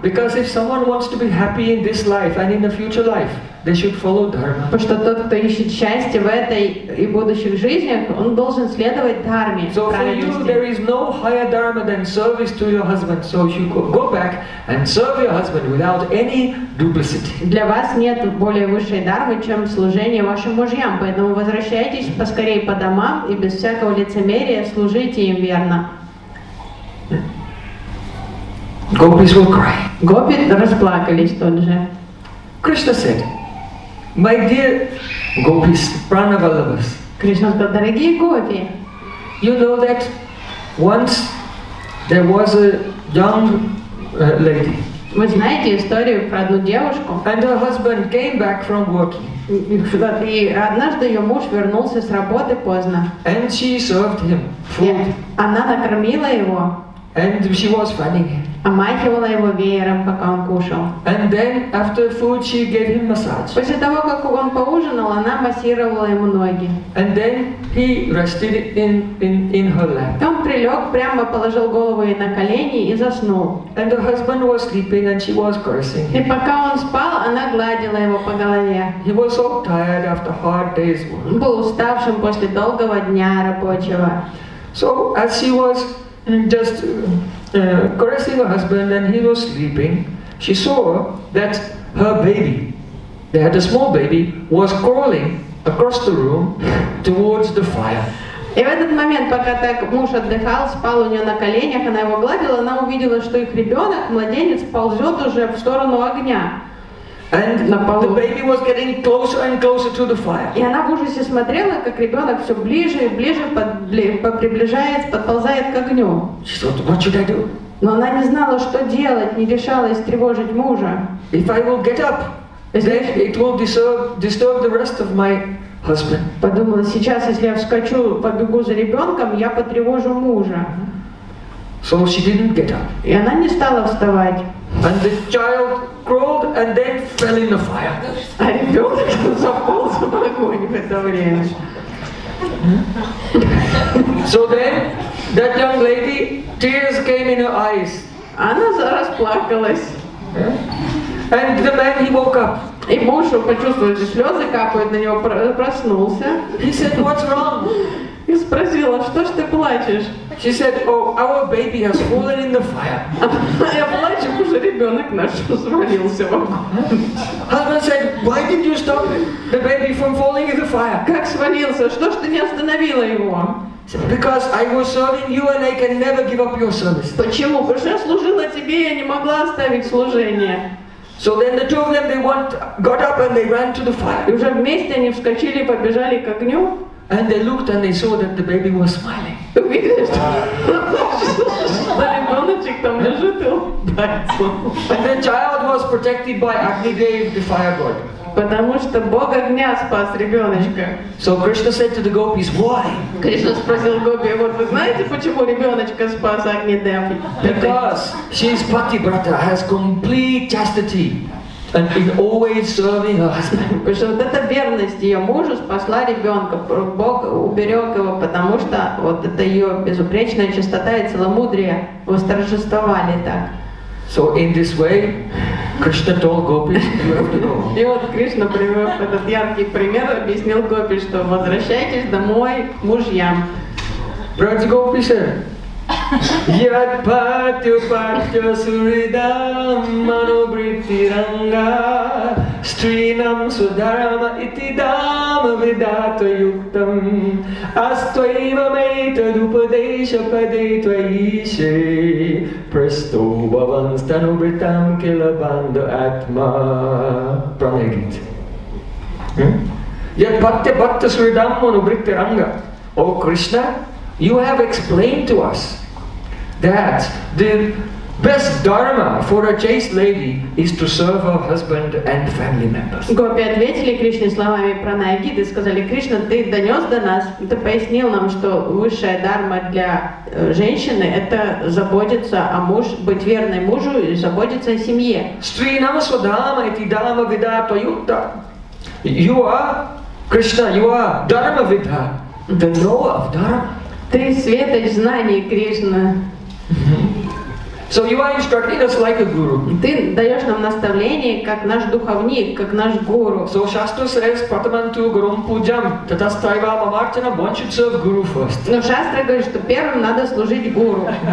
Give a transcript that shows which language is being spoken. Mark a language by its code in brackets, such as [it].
[en] Because if someone wants to be happy in this life and in the future life, they should follow dharma. [ru] Потому что тот, кто ищет счастье в этой и будущих жизнях, он должен следовать дхарме. [en] So for you, there is no higher dharma than service to your husband. So you go back and serve your husband without any duplicity. [ru] Для вас нет более высшей дхармы, чем служение вашим мужьям, поэтому возвращайтесь поскорее по домам и без всякого лицемерия служите им верно. [en] Gopis will cry. [ru] Гопи расплакались тут же. [en] Krishna said, My dear gopis, pranavallabhas. [ru] Krishna сказал, дорогие гопи. [en] You know that once there was a young lady. [ru] Вы знаете историю про одну девушку? [en] And her husband came back from working. [ru] И однажды ее муж вернулся с работы поздно. [en] And she served him food. [ru] Она накормила его. [en] And she was fanning him. [ru] Омахивала его веером, пока он кушал. [en] And then after food she gave him massage. [ru] После того, как он поужинал, она массировала ему ноги. [en] And then he rested in her lap. [ru] Он прилег прямо, положил голову ей на колени и заснул. [en] And her husband was sleeping and she was caressing him. [ru] И пока он спал, она гладила его по голове. [en] He was so tired after hard day's work. [ru] Он был уставшим после долгого дня рабочего. [en] So as she was just caressing her husband and he was sleeping, she saw that her baby, they had a small baby, was crawling across the room towards the fire. [ru] И в этот момент, пока так муж отдыхал, спал у нее на коленях, она его гладила, она увидела, что их ребенок, младенец, ползет уже в сторону огня. [en] And the baby was getting closer and closer to the fire. [ru] И она в ужасе смотрела, как ребенок все ближе и ближе приближается, подползает к огню. [en] She thought, what should I do? [ru] Но она не знала, что делать, не решалась тревожить мужа. [en] If I will get up, then it will disturb the rest of my husband. [ru] Подумала, сейчас, если я вскочу, побегу за ребенком, я потревожу мужа. [en] So she didn't get up. [ru] И она не стала вставать. [en] And the child crawled and then fell in the fire. [ru] А ребенок заполз в огонь в это время. [en] So then, that young lady, tears came in her eyes. [ru] Она расплакалась. [en] And the man, he woke up. [ru] И муж почувствовал, что слезы капают на него, проснулся. [en] He said, what's wrong? [ru] И спросила, что ж ты плачешь? [en] She said, oh, our baby has fallen in the fire. [ru] Я плачу, потому что ребенок наш свалился в огонь. [en] Husband said, why did you stop the baby from falling in the fire? [ru] Как свалился? Что ж ты не остановила его? [en] Because I was serving you and I can never give up your service. [ru] Почему? Потому что я служила тебе, я не могла оставить служение. [en] So then the two of them, they went, got up and they ran to the fire. [ru] И уже вместе они вскочили и побежали к огню. [en] And they looked and they saw that the baby was smiling. And the child was protected by Agni Dev, the fire god. [ru] Потому что Бог огня спас ребеночка. [en] So Krishna said to the gopis, why? [ru] Кришна спросил гопи, вот вы знаете, почему ребеночка спас Агни Дев? [en] Because she's pati brata, has complete chastity. And is always serving her husband. [ru] Потому что вот эта верность ее мужу спасла ребенка. Бог уберег его, потому что вот это ее безупречная чистота и целомудрие восторжествовали так. [en] So in this way, Krishna told gopis, you have to go. [ru] И вот Кришна привел этот яркий пример, объяснил гопи, что возвращайтесь домой к мужьям. Братья гопи, [sa] Yat patyo patyo suridam manobriti ranga strinam sudharama iti dama vidato yuktam astvaiva meita dupadesha padetva ishe presto bhavanstanu britam kilabandha atma pranegit. Yat patyo patyo suridam manobriti ranga. [en] O Krishna, you have explained to us that the best dharma for a chaste lady is to serve her husband and family members. [ru] Гопи ответили Кришне словами пранаягиды и сказали: Кришна, ты донес до нас, ты пояснил нам, что высшая дхарма для женщины – это заботиться о муж, быть верной мужу и заботиться о семье. [sa] Стринам свадхама эти дхарма вида тоюкта. [en] You are, Krishna, you are dharma vida, the knower of dharma. [ru] Ты светоч знаний, Кришна. [en] So you are instructing us like a guru. [ru] Ты даешь нам наставление как наш духовник, как наш гуру. [en] So Shastra says, [sa] Patamantu Gurum Pujam, Tatastaiva Mamartana, [en] one should serve guru first. [ru] Но Шастра говорит, что первым надо служить гуру.